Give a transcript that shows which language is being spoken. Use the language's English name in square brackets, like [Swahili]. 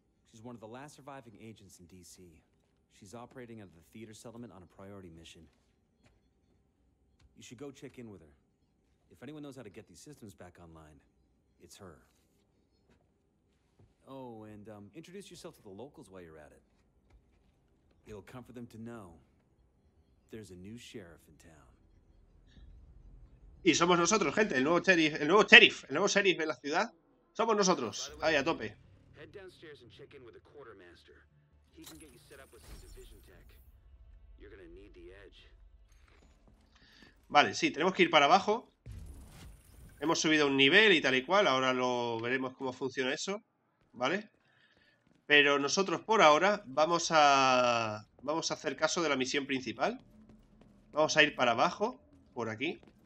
[English] She's one of the last surviving agents in DC. She's operating out of the theater settlement on a priority mission. You should go check in with her. If anyone knows how to get these systems back online, it's her. Oh, and introduce yourself to the locals while you're at it. It'll comfort them to know there's a new sheriff in town. [Spanish] Y somos nosotros, gente, el nuevo sheriff de la ciudad. Somos nosotros, ahí a tope. [English] Head downstairs and check in with the quartermaster. He can get you set up with some division tech. You're gonna need the edge. [Spanish] Vale, sí, tenemos que ir para abajo. Hemos subido un nivel y tal y cual, ahora lo veremos cómo funciona eso, ¿vale? Pero nosotros por ahora vamos a hacer caso de la misión principal. Vamos a ir para abajo, por aquí.